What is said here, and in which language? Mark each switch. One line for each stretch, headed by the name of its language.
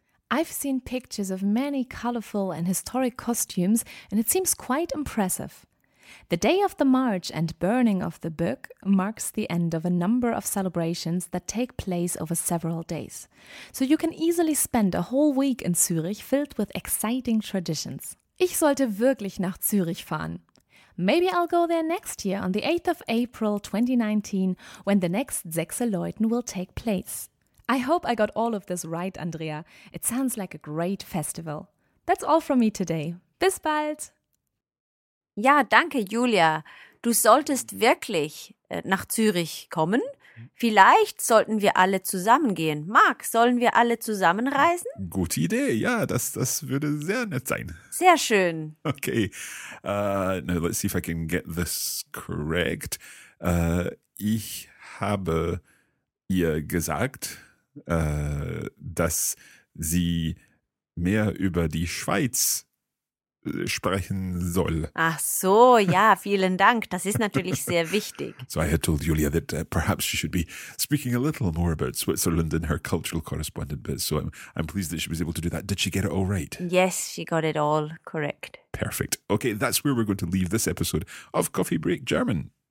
English: I've seen pictures of many colorful and historic costumes, and it seems quite impressive. The day of the march and burning of the book marks the end of a number of celebrations that take place over several days. So you can easily spend a whole week in Zürich filled with exciting traditions.
German: Ich sollte wirklich nach Zürich fahren.
English: Maybe I'll go there next year on the 8th of April 2019 when the next Sechseläuten will take place. I hope I got all of this right, Andrea. It sounds like a great festival. That's all from me today.
German: Bis bald! Ja, danke, Julia. Du solltest wirklich nach Zürich kommen. Vielleicht sollten wir alle zusammen gehen. Marc, sollen wir alle zusammen reisen? Gute Idee, ja, das würde sehr nett sein. Sehr schön.
English: Okay, now let's see if I can get this correct.
German: Ich habe ihr gesagt, dass sie mehr über die Schweiz sprechen soll. Ach so, ja, vielen Dank. Das ist natürlich sehr wichtig.
English: So I had told Julia that perhaps she should be speaking a little more about Switzerland and her cultural correspondent bit. So I'm pleased that she was able to do that. Did she get it all right? Yes, she got it all correct. Perfect. Okay, that's where we're going to leave this episode of Coffee Break German.